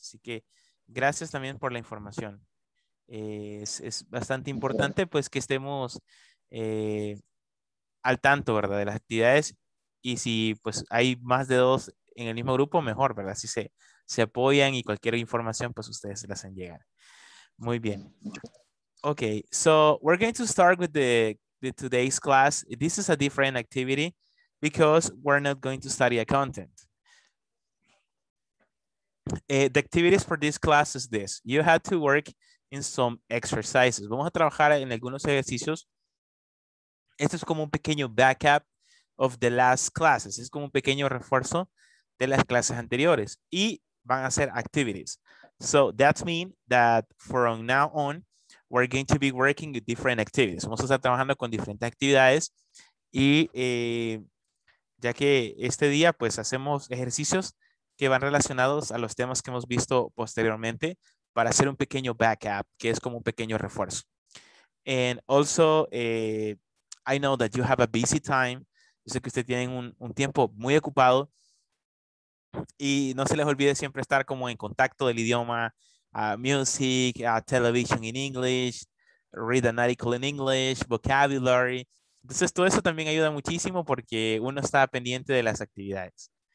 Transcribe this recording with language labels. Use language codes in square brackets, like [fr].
[es] Así que gracias también por la información. Es bastante importante pues que estemos al tanto, ¿verdad? De las actividades, y si pues hay más de dos en el mismo grupo, mejor, ¿verdad? Si se, se apoyan y cualquier información, pues ustedes la hacen llegar. Muy bien. [en] Okay, so we're going to start with the today's class. This is a different activity because we're not going to study a content. The activities for this class is this. You have to work in some exercises. [es] Vamos a trabajar en algunos ejercicios. Esto es como un pequeño backup [en] of the last classes. [es] Es como un pequeño refuerzo de las clases anteriores. Y van a ser activities. [en] So that means that from now on, we're going to be working with different activities. [es] Vamos a estar trabajando con diferentes actividades. Y ya que este día, pues, hacemos ejercicios que van relacionados a los temas que hemos visto posteriormente para hacer un pequeño backup, que es como un pequeño refuerzo. [en] And also, I know that you have a busy time. [es] Yo sé que ustedes tienen un tiempo muy ocupado. Y no se les olvide siempre estar como en contacto del idioma, [en] music, television in English, read an article in English, vocabulary. [es] Entonces, todo eso también ayuda muchísimo porque uno está pendiente de las actividades.